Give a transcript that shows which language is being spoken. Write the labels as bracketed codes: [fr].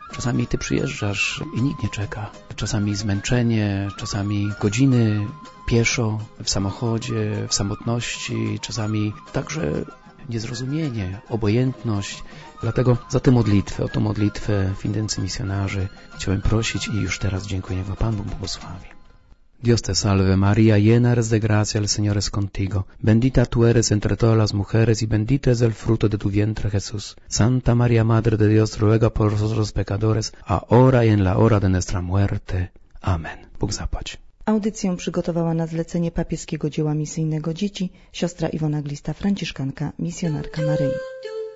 [pl] Czasami Ty przyjeżdżasz i nikt nie czeka. Czasami zmęczenie, czasami godziny pieszo, w samochodzie, w samotności, czasami także niezrozumienie, obojętność. Dlatego za tę modlitwę, o tę modlitwę w intencji misjonarzy chciałem prosić i już teraz dziękuję, bo Pan Bóg błogosławi. [es] Dios te salve María, llena eres de gracia, el Señor es contigo. Bendita tú eres entre todas las mujeres y bendito es el fruto de tu vientre, Jesús. Santa María, Madre de Dios, ruega por nosotros pecadores, ahora y en la hora de nuestra muerte. [pl] Amen. Bóg zapłać. Audycję przygotowała na zlecenie papieskiego dzieła misyjnego dzieci siostra Iwona Glista, franciszkanka, misjonarka Maryi.